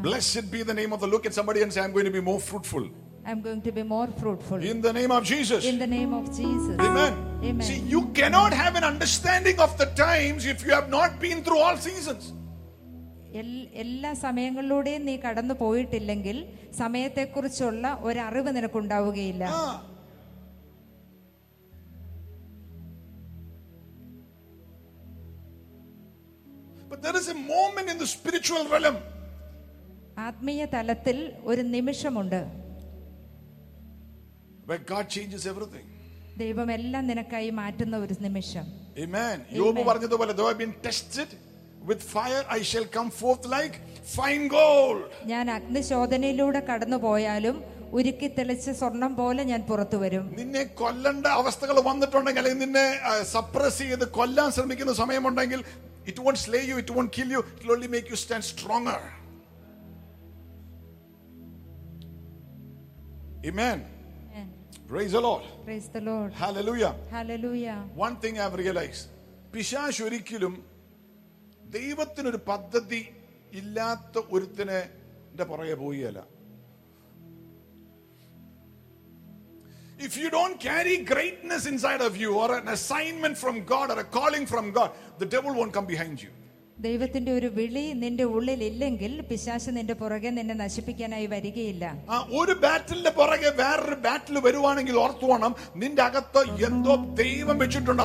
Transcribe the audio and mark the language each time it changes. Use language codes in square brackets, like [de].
[en] Blessed be the name of the Lord. Look at somebody and say, I'm going to be more fruitful. I'm going to be more fruitful. In the name of Jesus. In the name of Jesus. Amen. Amen. See, you cannot have an understanding of the times if you have not been through all seasons. [ml] എല്ലാ സമയങ്ങളിലൂടെയും നീ കടന്നു പോയിട്ടില്ലെങ്കിൽ സമയത്തെ കുറിച്ചുള്ള ഒരു അറിവ് നിനക്കുണ്ടാവുകയില്ല. [en] But there is a moment in the spiritual realm. [ml] ആത്മീയ തലത്തിൽ ഒരു നിമിഷമുണ്ട്. [en] Where God changes everything. [ml] ദൈവം എല്ലാം നിനക്കായി മാറ്റുന്ന ഒരു നിമിഷം. [en] Amen. [ml] യോബ് പറഞ്ഞതുപോലെ, [en] though I have been tested with fire, I shall come forth like fine gold. [ml] ഞാൻ അഗ്നിശോധനയിലൂടെ കടന്നു പോയാലും ഉരുക്കി തെളിച്ച സ്വർണം പോലെ ഞാൻ പുറത്തു വരും. നിന്നെ കൊല്ലേണ്ട അവസ്ഥകൾ വന്നിട്ടുണ്ടെങ്കിൽ, അല്ലെങ്കിൽ നിന്നെ സപ്രസ് ചെയ്ത് കൊല്ലാൻ ശ്രമിക്കുന്ന സമയമുണ്ടെങ്കിൽ, [en] it won't slay you, it won't kill you, it will only make you stand stronger. Amen. Praise the Lord. Praise the Lord. Hallelujah. Hallelujah. One thing I've realized, [ml] പിശാച് ഒരിക്കലും ദൈവത്തിനൊരു പദ്ധതി ഇല്ലാത്ത ഒരുത്തിനെ പുറകെ പോയല്ല. [en] If you don't carry greatness inside of you, or an assignment from God, or a calling from God, the devil won't come behind you. [ml] ദൈവത്തിന്റെ ഒരു വിളി നിന്റെ ഉള്ളിൽ ഇല്ലെങ്കിൽ പിശാച് നിന്റെ പുറകെ നിന്നെ നശിപ്പിക്കാനായി വരികയില്ല. ഒരു ബാറ്റിലിന്റെ പുറകെ വേറൊരു ബാറ്റിൽ വരുവാണെങ്കിൽ ഓർത്തു വേണം, നിന്റെ അകത്ത് എന്തോ ദൈവം വെച്ചിട്ടുണ്ട്.